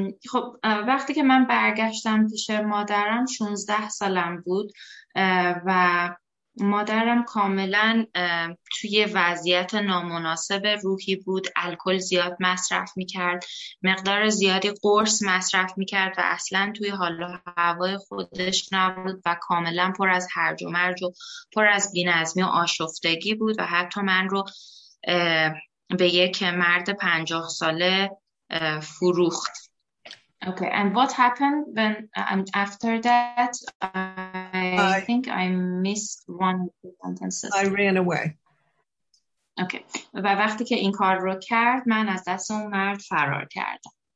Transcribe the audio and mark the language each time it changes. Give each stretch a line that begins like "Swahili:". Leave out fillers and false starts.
Persian: خب وقتی که من برگشتم پیش مادرم 16 سالم بود و مادرم کاملا توی وضعیت نامناسب روحی بود، الکل زیاد مصرف میکرد، مقدار زیادی قرص مصرف میکرد و اصلا توی حال و هوای خودش نبود و کاملا پر از هرج و مرج و پر از بی‌نظمی و آشفتگی بود و حتی من رو به یک مرد 50 ساله فروخت.
English: Okay, and what happened when after that? I think I missed one of the sentences. I ran away. Okay.
Persian: و وقتی که این کار رو کرد، من از دست اون مرد فرار کردم.